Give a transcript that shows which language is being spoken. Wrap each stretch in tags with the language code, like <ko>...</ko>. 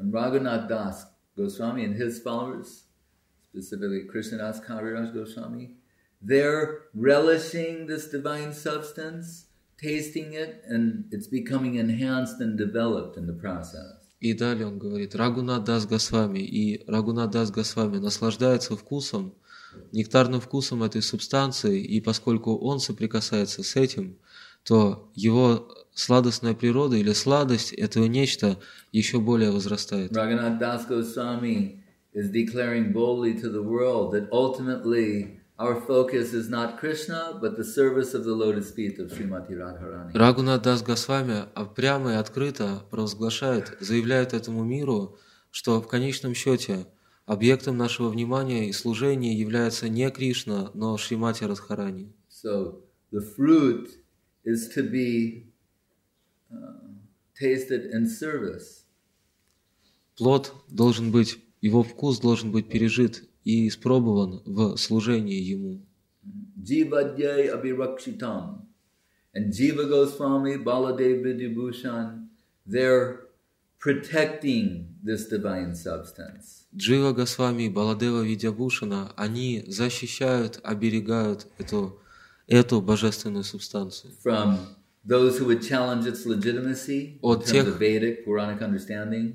<en>And Raghunath Das Goswami and his followers, specifically Krishnadas Kaviraj Goswami, they're relishing this divine substance, tasting it, and it's becoming enhanced and developed in the process.</en> <ru>И далее он говорит, Рагунадас Госвами, и Рагунадас Госвами наслаждается вкусом, нектарным вкусом этой субстанции, и поскольку он соприкасается с этим, то его сладостная природа или сладость этого нечто еще более возрастает.</ru> <en>Рагунадас Госвами is declaring boldly to the world that ultimately our focus is not Krishna, but the service of the lotus feet of Srimati Radharani.</en> <ru>Рагунат Дас Госвами прямо и открыто провозглашает, заявляет этому миру, что в конечном счете объектом нашего внимания и служения является не Кришна, но Шримати Радхарани.</ru> <en>So the fruit is to be tasted in service.</en> <ru>Плод должен быть, его вкус должен быть пережит и испробован в служении ему.</ru> <sa>Jivadyay abhirakshitam.</sa> <en>And Jiva Goswami, Baladev Vidyabhushan, they're protecting this divine substance.</en> <ru>Jiva Goswami, Baladeva Vidyabhushana, они защищают, оберегают эту божественную субстанцию.</ru> <en>From those who would challenge its legitimacy,</en> <ru>от тех,</ru> <en>in terms of Vedic, Puranic understanding.</en>